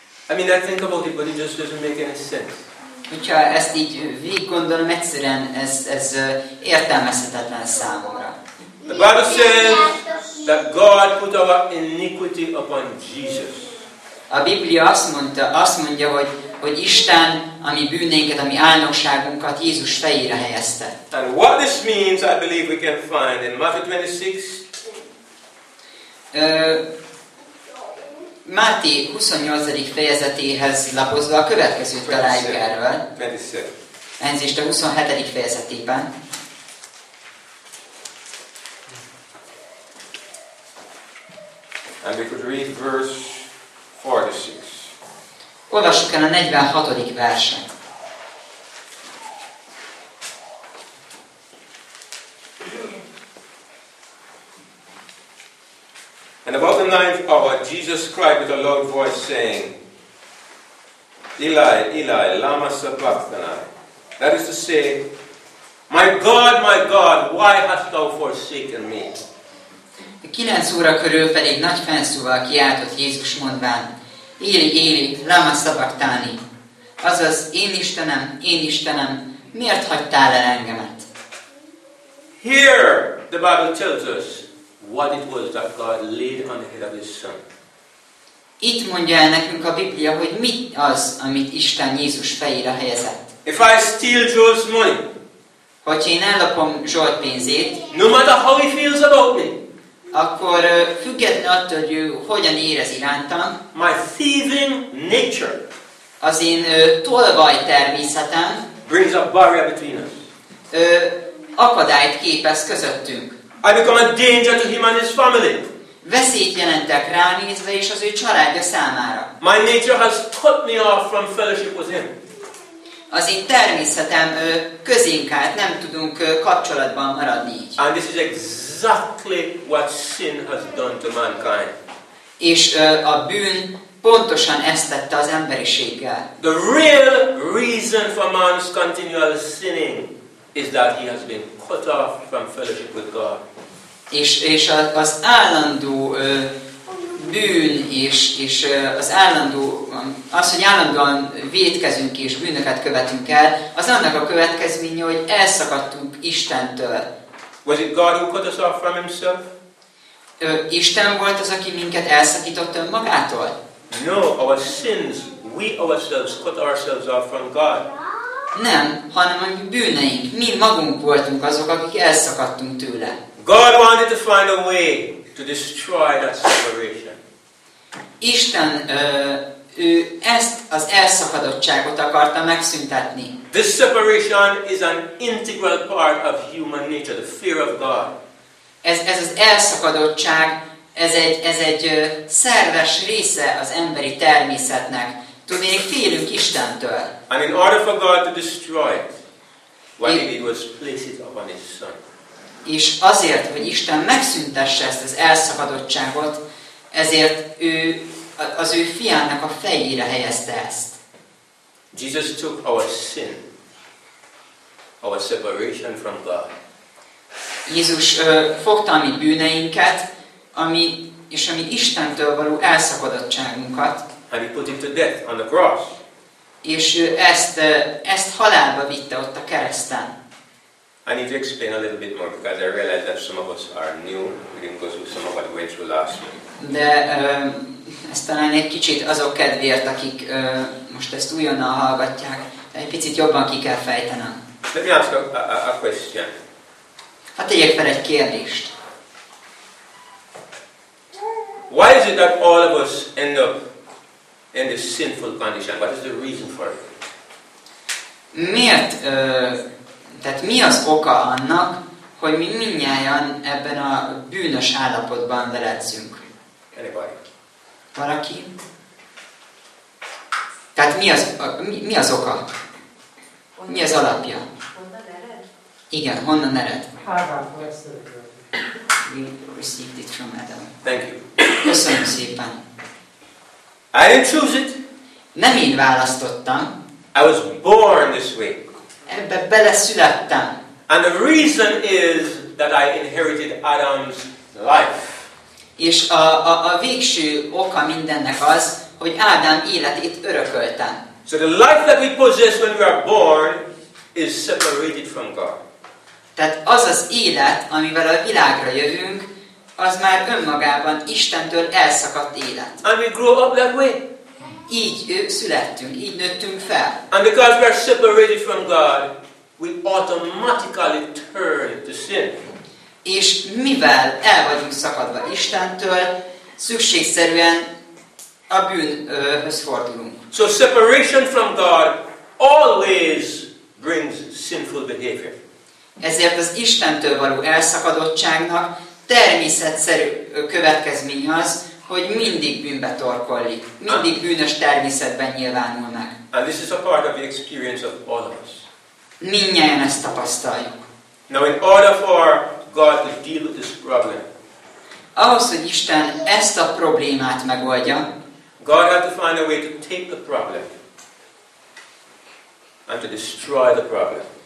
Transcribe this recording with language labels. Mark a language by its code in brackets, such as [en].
[en] I mean, I think about it, but it just doesn't make any sense. [hu] Hogyha ezt így végig gondolom, egyszerűen ez értelmezhetetlen számomra. [en] The Bible says that God put our iniquity upon Jesus. [hu] A Biblia azt mondja, hogy Isten a mi bűneinket, a mi álnokságunkat Jézus fejére helyezte. [en] And what this means, I believe we can find in Matthew 26. [hu] Máté 28. fejezetéhez lapozva a következő találjuk erről. Enzést a 27. fejezetében. [en] Verse And we could read verse 46. [hu] Olvassuk el a 46. verset. [en] And about the ninth hour, Jesus cried with a loud voice, saying, [arc] Eli, Eli, lama sabachthani. [en] That is to say, my God, why hast thou forsaken me? [hu] A 9 óra körül pedig nagy fennszóval kiáltott Jézus mondván, [arc] Éli, Éli, lama sabachthani. [hu] Azaz, én Istenem, miért hagytál el engemet? [en] Here, the Bible tells us, what it was that God laid on the head of his son. [hu] Itt mondja el nekünk a Biblia, hogy mi az, amit Isten Jézus fejére helyezett. [en] If I steal Joel's money, [hu] hogy én ellopom Joel pénzét, [en] no matter how he feels about me, [hu] akkor független attól, hogy ő hogyan érez irántam, [en] my thieving nature, [hu] az én tolvaj természetem, [en] brings a barrier between us. [hu] Akadályt képez közöttünk. [en] I become a danger to him and his family. [hu] Veszélyt jelentek ránézve és az ő családja számára. [en] My nature has cut me off from fellowship with him. [hu] Az én természetem közénk állt, nem tudunk kapcsolatban maradni így. [en] And this is exactly what sin has done to mankind. [hu] És a bűn pontosan ezt tette az emberiséggel. [en] The real reason for man's continual sinning is that he has been cut off from fellowship with God. [hu] És az állandó bűn és az állandó az, hogy állandóan vétkezünk és bűnöket követünk el, az annak a következménye, hogy elszakadtunk Istentől. [en] Was it God who cut us off from himself? [hu] Isten volt az, aki minket elszakított önmagától? [en] No, our sins, we ourselves cut ourselves off from God. [hu] Nem, hanem a bűneink. Mi magunk voltunk azok, akik elszakadtunk tőle. [en] God wanted to find a way to destroy that separation. [hu] Isten ő ezt az elszakadottságot akarta megszüntetni. [en] This separation is an integral part of human nature, the fear of God. [hu] Ez az elszakadottság, ez egy szerves része az emberi természetnek. Tudnék, félünk Istentől. [en] And in order for God to destroy it, what he did was place it upon his son. [hu] És azért, hogy Isten megszüntesse ezt az elszakadottságot, ezért ő az ő fiának a fejére helyezte ezt. [en] Jesus took our sin, our separation from God. [hu] Jézus fogta a mi bűneinket, ami Istentől való elszakadottságunkat. [en] And he put it to death on the cross. [hu] És ezt halálba vitte ott a kereszten. [en] I need to explain a little bit more because I realize that some of us are new. We didn't go through some of what we went through last week. [hu] De ezt talán egy kicsit azok kedvéért, akik most ezt újonnan hallgatják, egy picit jobban ki kell fejtenem. [en] Let me ask a question. [hu] Hát tegyek fel egy kérdést. [en] Why is it that all of us end up in this sinful condition? What is the reason for it? [hu] Miért? Tehát mi az oka annak, hogy mi mindnyájan ebben a bűnös állapotban veledzünk? Anybody? Valaki? Tehát mi az oka? Mi az alapja? Honnan ered? Igen, honnan ered? [en] Harvard. We received it from Adam. Thank you. [hu] Köszönöm szépen. [en] I didn't choose it. [hu] Nem én választottam. [en] I was born this way. [hu] Ebbe beleszülettem. [en] And the reason is that I inherited Adam's life. [hu] És a végső oka mindennek az, hogy Ádám életét örököltem. [en] So the life that we possess when we are born is separated from God. [hu] Tehát az az élet, amivel a világra jövünk, az már önmagában Istentől elszakadt élet. [en] And we grow up that way. [hu] Így születtünk, így nőttünk fel. [en] And because we are separated from God, we automatically turn to sin. [hu] És mivel el vagyunk szakadva Istentől, szükségszerűen a bűnhöz fordulunk. [en] So separation from God always brings sinful behavior. [hu] Ezért az Istentől való elszakadottságnak természetszerű következménye az, hogy mindig bűnbe torkollik, mindig bűnös természetben nyilvánul meg. [en] And this is a part of the experience of all of us. [hu] Mindnyájan ezt tapasztaljuk. [en] Now in order for God to deal with this problem, [hu] ahhoz, hogy Isten ezt a problémát megoldja, [en] God had to find a way to take the problem and to destroy the problem.